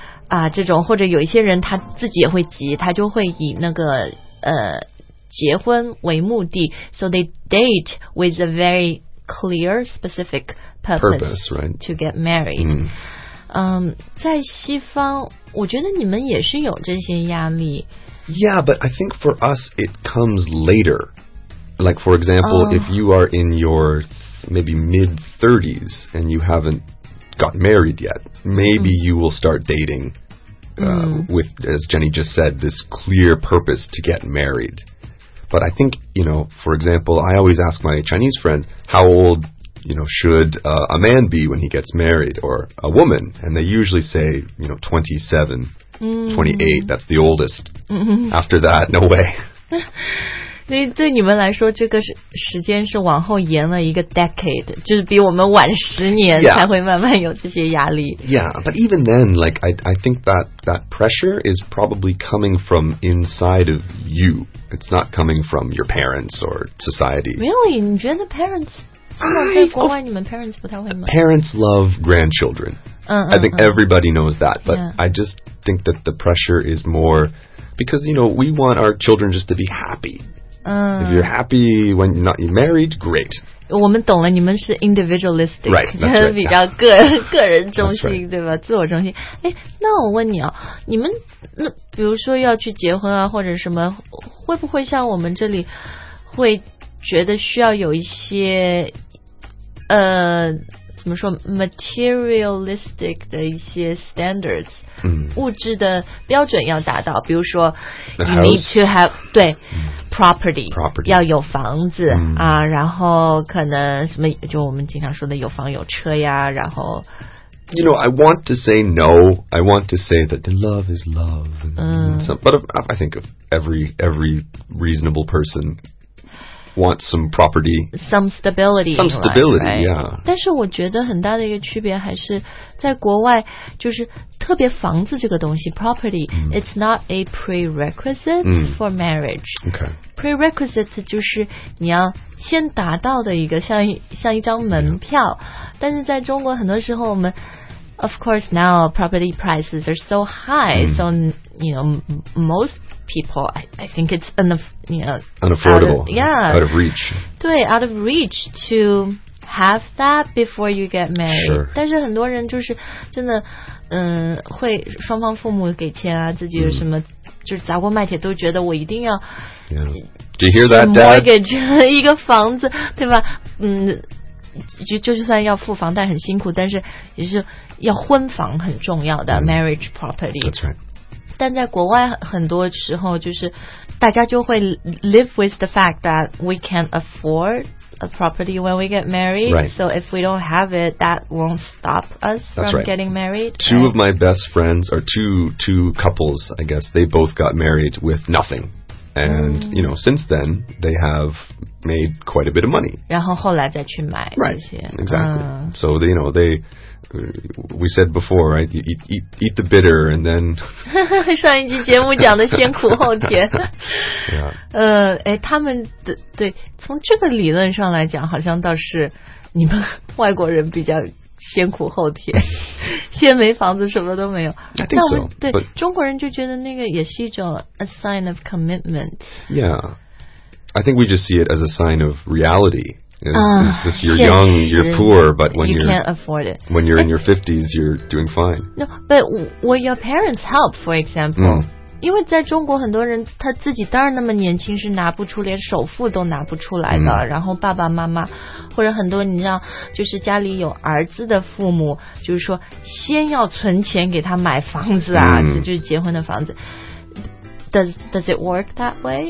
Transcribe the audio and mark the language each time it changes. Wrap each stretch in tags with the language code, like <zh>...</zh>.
<zh>啊这种或者有一些人他自己也会急他就会以那个结婚为目的</zh> <en>so they date with a very clear specific purpose right to get married、 mm.</en> <zh>嗯在西方我觉得你们也是有这些压力</zh> <en>Yeah, but I think for us, it comes later. Like, for example,、 oh. if you are in your maybe mid-30s and you haven't got married yet, maybe、mm. you will start dating、 mm. with, as Jenny just said, this clear purpose to get married. But I think, you know, for example, I always ask my Chinese friends, how old, you know, should、a man be when he gets married or a woman? And they usually say, you know, 27. 28, that's the oldest. After that, no way.</en> <zh>所以对你们来说，这个时间是往后延了一个 decade, 就是比我们晚十年才会慢慢有这些压力。</zh> <en>Yeah, but even then, like, I think that pressure is probably coming from inside of you. It's not coming from your parents or society. Really?</en> <zh>你觉得 parents...</zh> <en>Parents love grandchildren. I think everybody knows that. But、 yeah. I just think that the pressure is more... Because, you know, we want our children just to be happy. If you're happy when you're not married, great.</en> <zh>我们懂了，你们是 individualistic，</zh> <en>right, that's right,</en> <zh>比较个人、yeah. 个人中心、right. 对吧？自我中心。哎，那我问你啊，你们那比如说要去结婚啊，或者什么，会不会像我们这里会觉得需要有一些怎么说 materialistic 的一些 standards、 mm. 物质的标准要达到，比如说</zh> <en>the you、 house. need to have 对、mm. property, property</en> <zh>要有房子、mm. 啊，然后可能什么就我们经常说的有房有车呀，然后</zh> <en>you know I want to say no, I want to say that the love is love and、mm. some, but I think of every reasonable personwant some property. Some stability, right, right. yeah.</en> <zh>但是我觉得很大的一个区别还是在国外就是特别房子这个东西 property,、mm.</zh> <en>it's not a prerequisite、mm. for marriage. Okay.</en> <zh>Prerequisite 就是你要先达到的一个像一张门票、yeah. 但是在中国很多时候我们</zh> <en>of course now property prices are so high,、mm. so you know, most people, I think it's unaffordable, out of reach. 对, out of reach to have that before you get married. Sure.</en> <zh>但是很多人就是真的，会双方父母给钱啊，自己有什么、mm. 就是砸锅卖铁都觉得我一定要。</zh> <en>Yeah. Do you hear that, Dad?</en> <zh>Mortgage 一个房子，对吧？嗯。就算要付房贷很辛苦，但是也是要婚房很重要的、mm.</zh> <en>marriage property. That's right.</en> <zh>但在国外很多时候就是大家就会</zh> <en>live with the fact that we can't afford a property when we get married、 right. so if we don't have it that won't stop us、 That's、 from、 right. getting married two、right? of my best friends are two couples I guess they both got married with nothing and、mm. you know since then they have made quite a bit of money</en> <zh>然后后来再去买那些</zh> <en>right exactly、so they, you know theywe said before, right? You eat the bitter and then.</en> <zh>上一集节目讲的先苦后甜。</zh> <en>yeah.</en> <zh>哎，他们的对，从这个理论上来讲，好像倒是你们外国人比较先苦后甜，先没房子，什么都没有。</zh> <en>I think so.</en> <zh>对，中国人就觉得那个也是一种</zh> <en>a sign of commitment. Yeah, I think we just see it as a sign of reality. It's just you're young, you're poor, but when you can't afford it. When you're in your 50s, you're doing fine. No, but will your parents help, for example?、 Mm.</en> <zh>因为在中国很多人他自己当然那么年轻是拿不出连首付都拿不出来的、mm. 然后爸爸妈妈或者很多你知道就是家里有儿子的父母就是说先要存钱给他买房子啊、mm. 就是结婚的房子。</zh> <en>Does it work that way?</en>